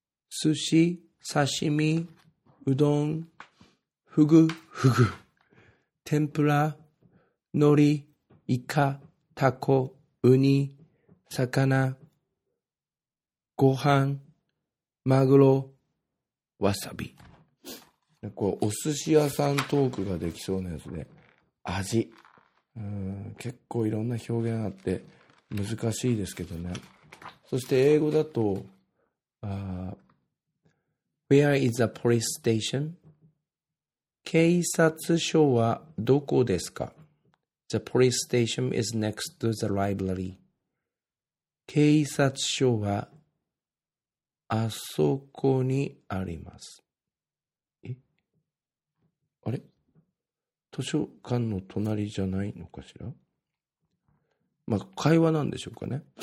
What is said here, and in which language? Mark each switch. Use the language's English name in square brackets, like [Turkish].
[Japanese] 寿司、刺身、うどん、ふぐ、ふぐ、天ぷら、海苔、イカ、タコ、ウニ、魚、ご飯、マグロ、わさび。これお寿司屋さんトークができそうなやつで、味。結構いろんな表現あって、難しいですけどね。そして英語だと、 [English] Where is the police station? [Japanese] 警察署はどこですか? [English] The police station is next to the library. [Japanese] 警察署はあそこにあります。え?あれ? 図書館の隣じゃないのかしら?まあ、会話なんでしょうかね。